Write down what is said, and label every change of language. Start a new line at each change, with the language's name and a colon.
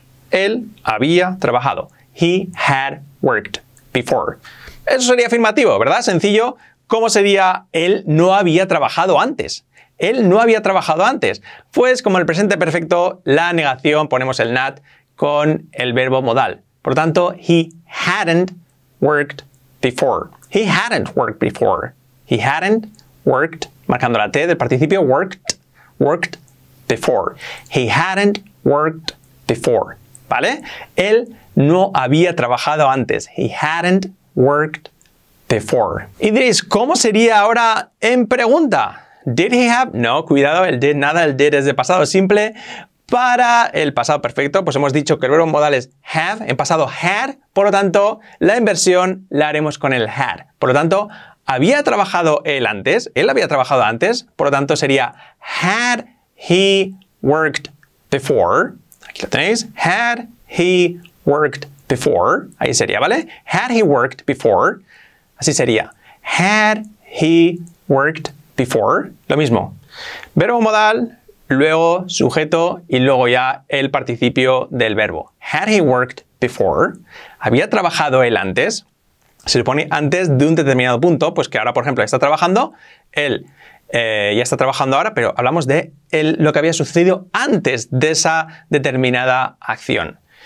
Spanish: Él había trabajado.
English: He had worked before.
Spanish: Eso sería afirmativo, ¿verdad? Sencillo. ¿Cómo sería él no había trabajado antes? Él no había trabajado antes. Pues como el presente perfecto, la negación, ponemos el not con el verbo modal. Por tanto,
English: he hadn't worked before. He hadn't worked before. He hadn't worked,
Spanish: marcando la T del participio,
English: worked, worked before. He hadn't worked before.
Spanish: ¿Vale? Él no había trabajado antes.
English: He hadn't worked before.
Spanish: Y diréis, ¿cómo sería ahora en pregunta?
English: Did he have?
Spanish: No, cuidado, el did nada, el did es de pasado simple. Para el pasado perfecto, pues hemos dicho que el verbo modal es have, en pasado had, por lo tanto, la inversión la haremos con el had. Por lo tanto, había trabajado él antes, él había trabajado antes, por lo tanto, sería
English: had he worked before.
Spanish: Aquí lo tenéis,
English: had he worked before.
Spanish: Ahí sería, ¿vale?
English: Had he worked before.
Spanish: Así sería,
English: had he worked before.
Spanish: Before, lo mismo. Verbo modal, luego sujeto y luego ya el participio del verbo.
English: Had he worked before?
Spanish: ¿Había trabajado él antes? Se supone antes de un determinado punto, pues que ahora, por ejemplo, está trabajando. Él ya está trabajando ahora, pero hablamos de él, lo que había sucedido antes de esa determinada acción.